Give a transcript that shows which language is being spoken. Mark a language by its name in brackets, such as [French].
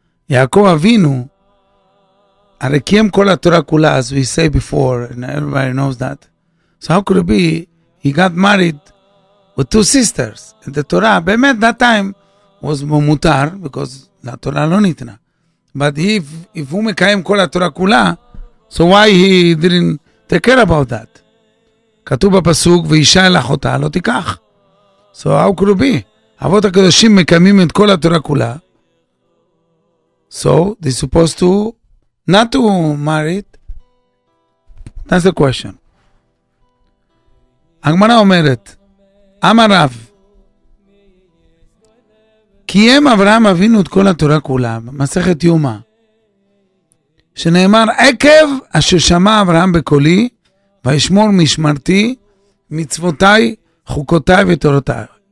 [English] Yaakov Avinu, [Hebrew] Arekiem Kol HaTorah Kula, [English] as we say before, and everybody knows that. So how could it be? He got married with two sisters. And the Torah, Bemet, that time, was Momutar, because [Hebrew] La Torah lo nitna. [English] But if [Hebrew] Hume Kaim Kol HaTorah Kula, [English] so why he didn't take care about that? [Hebrew] כתוב בפסוק, ואישה אל אחותה לא תיקח. [English] So how could it be? [Hebrew] אבות הקדושים מקיימים את כל התורה כולה. [English] So they supposed to not to marry it. That's the question. [Hebrew] הגמרא אומרת, אמר רב, קיים אברהם אבינו את כל התורה כולה, מסכת יומה, שנאמר, עקב אשר שמע אברהם בקולי, וישמור משמרתי, מצוותיי, חוקותיי ותורותיי.